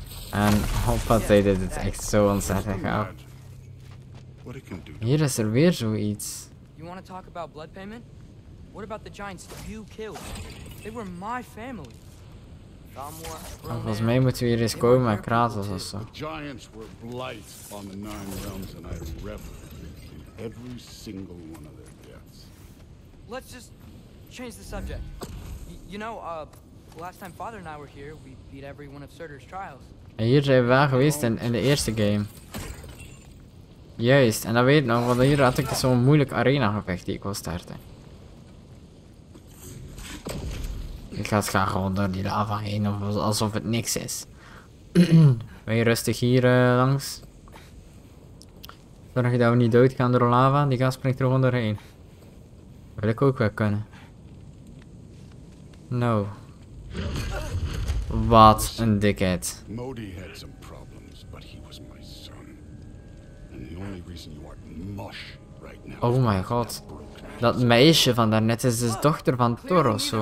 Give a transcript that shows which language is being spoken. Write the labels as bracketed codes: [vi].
[nl] En hoppatee, dit is echt zo ontzettend gaaf. Hier is er weer zoiets. [en] You want to talk about blood payment? What about the giants you killed? They were my family. [nl] Nou, volgens mij moeten we hier eens komen met Kratos of zo. [en] Giants were blight on the nine realms and I revel in every single one of them. Let's just change the subject. You know, last time Father and I were here, we beat every one of Surtur's trials. [nl] En hier zijn we wel geweest in de eerste game. Juist, en dat weet ik nog, want hier had ik zo'n moeilijk arena gevecht die ik wil starten. Ik ga het gewoon door die lava heen, alsof het niks is. Ben je rustig hier langs? Zorg je dat we niet doodgaan door lava, die gast springt er gewoon doorheen. Wil ik ook wel kunnen. No. Wat een dikheid. [en] Modi had some problems, but he was my son. And the only reason you are mush right now. Oh my god. [nl] Dat meisje van daarnet is de dochter van Thor of zo.